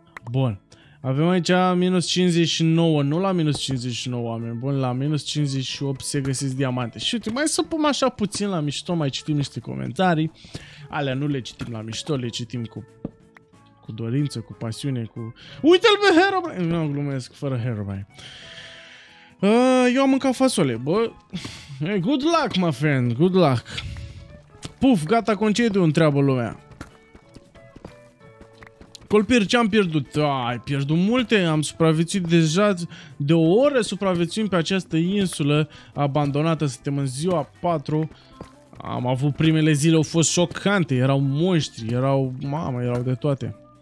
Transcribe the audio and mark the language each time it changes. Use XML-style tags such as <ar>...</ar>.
<ro>Bun. Avem aici minus 59, nu la minus 59, oameni buni, la minus 58 se găsesc diamante. Și uite, mai să pun așa puțin la mișto, mai citim niște comentarii. Alea nu le citim la mișto, le citim cu dorință, cu pasiune, cu... Uite-l pe Herobrine! Nu, glumesc, fără Herobrine. Eu am mâncat fasole, bă.</ro> <en>Hey, good luck, my friend, good luck.</en> <ro>Puf, gata concediu, întreabă lumea. Colpir, ce-am pierdut? Ai pierdut multe, am supraviețuit deja de o oră, supraviețuim pe această insulă abandonată, suntem în ziua 4. Am avut primele zile, au fost șocante, erau monștri, erau, mamă, erau de toate.</ro>